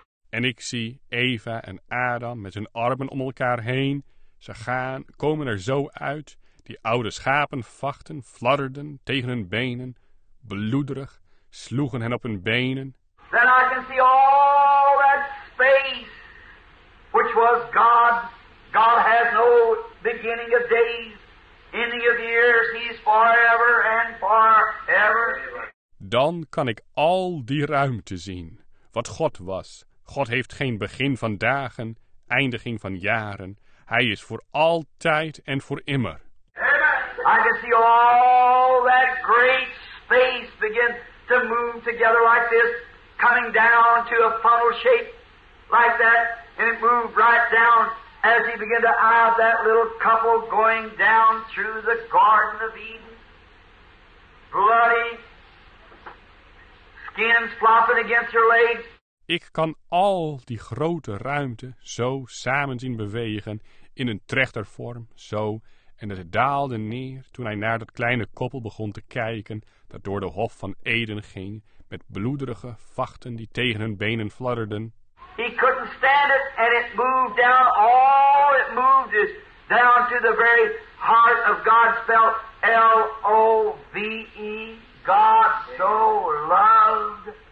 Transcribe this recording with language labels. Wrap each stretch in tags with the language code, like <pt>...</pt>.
<nl>En ik zie Eva en Adam met hun armen om elkaar heen. Ze gaan, komen er zo uit, die oude schapen vachten, fladderden tegen hun benen, bloederig, sloegen hen op hun benen.</nl> <en>Then I can see all that space, which was God. God has no beginning of days, ending of years, he's forever and forever.</en> <nl>Dan kan ik al die ruimte zien, wat God was. God heeft geen begin van dagen, eindiging van jaren. Hij is voor altijd en voor immer.</nl> <en>I can see all that great space begin to move together like this. coming down to a funnel shape like that, and it moved right down as he began to eye that little couple going down through the Garden of Eden. Bloody skins flopping against her legs.</en> <nl>Ik kan al die grote ruimte zo samen zien bewegen in een trechtervorm, zo, en het daalde neer toen hij naar dat kleine koppel begon te kijken dat door de Hof van Eden ging met bloederige vachten die tegen hun benen fladderden.</nl> <en>He couldn't stand it and it moved down, all it moved is down to the very heart of God, spelled L-O-V-E, God so loved.</en>